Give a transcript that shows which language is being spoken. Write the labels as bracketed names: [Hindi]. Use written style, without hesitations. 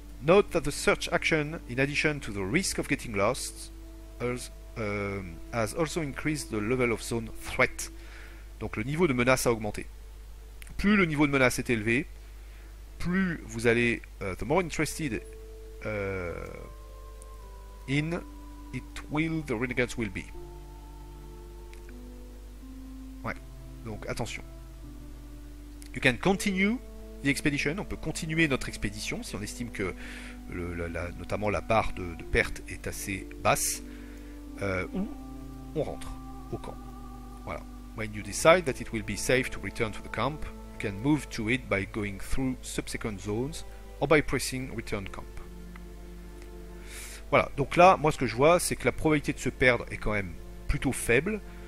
[English] Note that the search action, in addition to the risk of getting lost, has also increased the level of zone threat. [French] Donc, le niveau de menace a augmenté. Plus le niveau de menace est élevé, plus vous allez... [English] the more interested in it will the renegades will be. [French] Ouais. Donc, attention. [English] You can continue... the expedition, [French] on peut continuer notre expédition si on estime que notamment la barre de perte est assez basse, ou on rentre au camp. Voilà. [English] When you decide that it will be safe to return to the camp, you can move to it by going through subsequent zones or by pressing return camp. [French] Voilà, donc là, moi ce que je vois, c'est que la probabilité de se perdre est quand même plutôt faible.